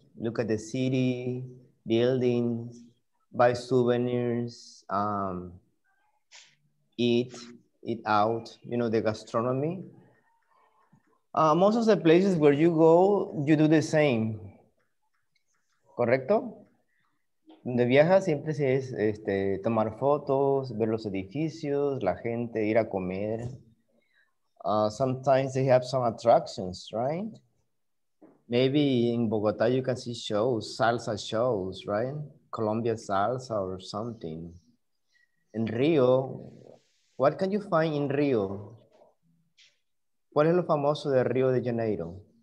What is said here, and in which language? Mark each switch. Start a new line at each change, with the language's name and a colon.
English: Look at the city, buildings, buy souvenirs, eat out, you know, the gastronomy. Most of the places where you go, you do the same.
Spanish: ¿Correcto? Donde viajas siempre es tomar fotos, ver los edificios, la gente, ir a comer.
English: Sometimes they have some attractions, right? Maybe in Bogota you can see shows, salsa shows, right? Colombia salsa or something. In Rio, what can you find in Rio?
Spanish: ¿Cuál es lo famoso de Rio de Janeiro?